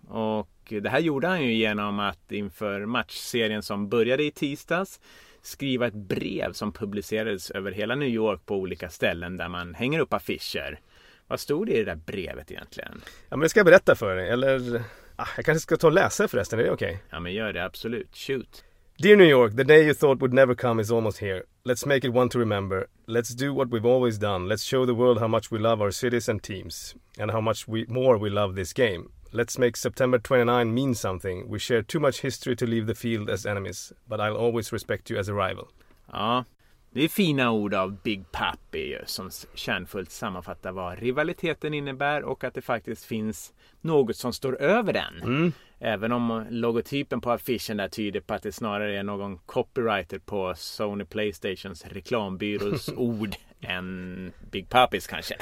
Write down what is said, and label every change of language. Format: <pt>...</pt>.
<sv>Och det här gjorde han ju genom att inför matchserien som började i tisdags skriva ett brev som publicerades över hela New York på olika ställen där man hänger upp affischer. Vad stod det i det där brevet egentligen? Ja, men det ska jag berätta för dig. Eller, jag kanske ska ta och läsa förresten, är det okej?</sv> <en>Okay?</en> <sv>Ja, men gör det, absolut.</sv> <en>Shoot. Dear New York, the day you thought would never come is almost here. Let's make it one to remember. Let's do what we've always done. Let's show the world how much we love our cities and teams. And how much more we love this game. Let's make September 29 mean something. We share too much history to leave the field as enemies. But I'll always respect you as a rival.</en> <sv>Ja, det är fina ord av Big Papi som kärnfullt sammanfattar vad rivaliteten innebär och att det faktiskt finns något som står över den. Mm. Även om logotypen på affischen där tyder på att det snarare är någon copywriter på Sony Playstations reklambyrås ord än Big Papis kanske.</sv>